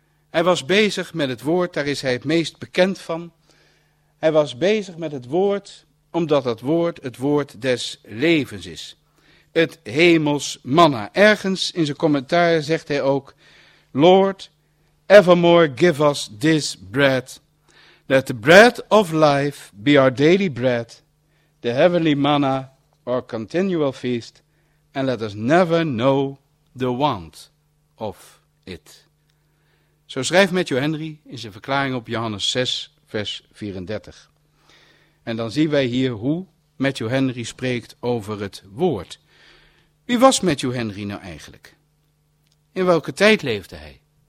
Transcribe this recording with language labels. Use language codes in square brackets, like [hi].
[nl] Hij was bezig met het woord, daar is hij het meest bekend van. Hij was bezig met het woord, omdat het woord des levens is. Het hemels manna. Ergens in zijn commentaar zegt hij ook, [en] Lord, evermore give us this bread. Let the bread of life be our daily bread, the heavenly manna, our continual feast, and let us never know the want of it. [nl] Zo schrijft Matthew Henry in zijn verklaring op Johannes 6, vers 34. En dan zien wij hier hoe Matthew Henry spreekt over het woord. Wie was Matthew Henry nou eigenlijk? In welke tijd leefde hij?